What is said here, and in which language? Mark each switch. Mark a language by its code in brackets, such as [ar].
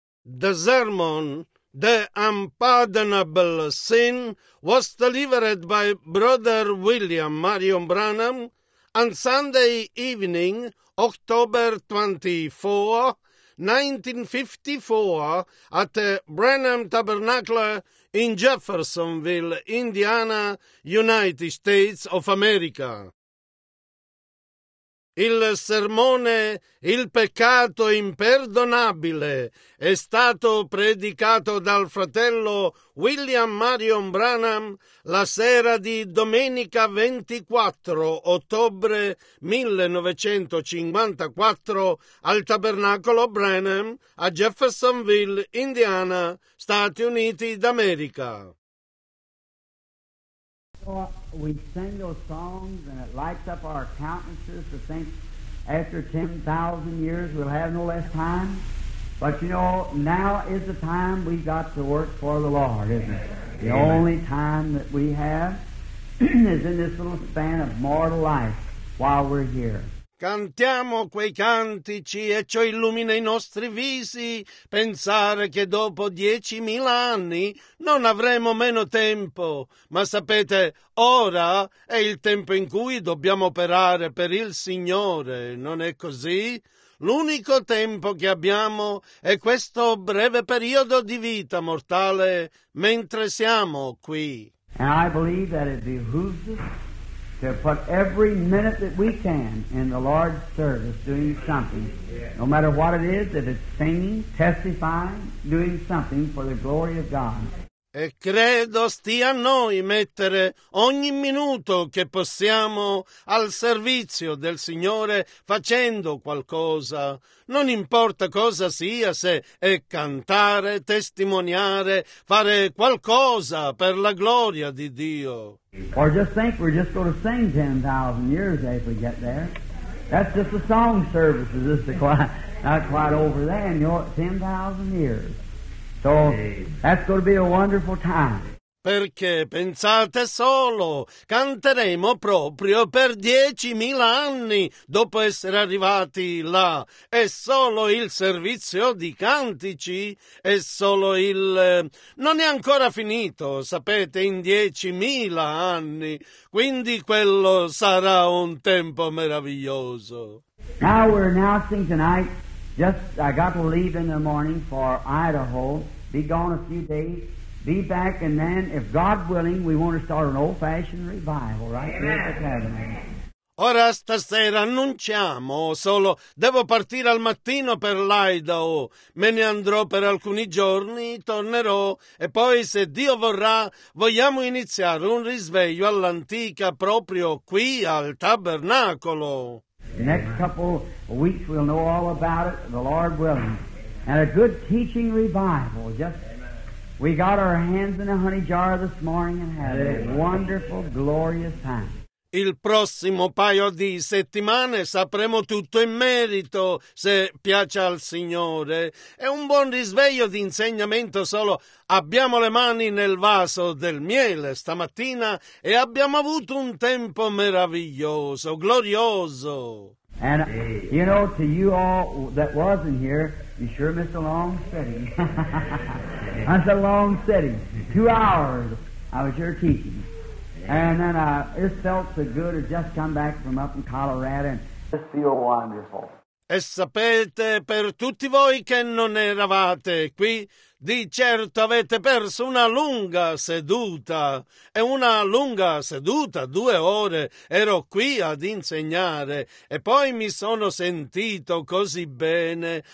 [en] The sermon, The Unpardonable Sin, was delivered by Brother William Marion Branham on Sunday evening, October 24, 1954, at Branham Tabernacle in Jeffersonville, Indiana, United States of America. [it] Il sermone Il peccato imperdonabile è stato predicato dal fratello William Marion Branham la sera di domenica 24 ottobre 1954 al Tabernacolo Branham a Jeffersonville, Indiana, Stati Uniti d'America. [en] We sing those songs and it lights up our countenances to think after 10,000 years we'll have no less time. But you know, now is the time we've got to work for the Lord, isn't it? The Amen. Only time that we have is in this little span of mortal life while we're here. [it] Cantiamo quei cantici e ciò illumina i nostri visi. Pensare che dopo 10.000 anni non avremo meno tempo. Ma sapete, ora è il tempo in cui dobbiamo operare per il Signore, non è così? L'unico tempo che abbiamo è questo breve periodo di vita mortale mentre siamo qui. [en] And I believe that it behooves us to put every minute that we can in the Lord's service doing something, no matter what it is, if it's singing, testifying, doing something for the glory of God. [it] E credo stia a noi mettere ogni minuto che possiamo al servizio del Signore facendo qualcosa. Non importa cosa sia, se è cantare, testimoniare, fare qualcosa per la gloria di Dio. [en] Or just think we're just going to sing 10,000 years if we get there. That's just the song services. It's not quite over there, you know, 10,000 years. So that's going to be a wonderful time. [it] Perché pensate solo, canteremo proprio per 10.000 anni dopo essere arrivati là. È solo il servizio di cantici, è solo il... Non è ancora finito, sapete, in 10.000 anni. Quindi quello sarà un tempo meraviglioso. [en] Now we're announcing tonight, just I got to leave in the morning for Idaho, be gone a few days. Be back, and then, if God willing, we want to start an old-fashioned revival right here at the Tabernacle. [it] Ora stasera annunciamo solo, devo partire al mattino per l'Idaho, me ne andrò per alcuni giorni, tornerò e poi se Dio vorrà vogliamo iniziare un risveglio all'antica proprio qui al Tabernacolo. [en] The next couple of weeks we'll know all about it, the Lord willing. And a good teaching revival, just... We got our hands in a honey jar this morning and had a wonderful, glorious time. [it] Il prossimo paio di settimane sapremo tutto in merito, se piace al Signore. È un buon risveglio di insegnamento, solo abbiamo le mani nel vaso del miele stamattina e abbiamo avuto un tempo meraviglioso, glorioso. [en] And, you know, to you all that wasn't here, you sure missed a long sitting. That's a long sitting. 2 hours I was here teaching. And then it felt so good to just come back from up in Colorado and just feel wonderful. [it] E sapete, per tutti voi che non eravate qui, di certo avete perso una lunga seduta. E una lunga seduta, 2 ore, ero qui ad insegnare. E poi mi sono sentito così bene.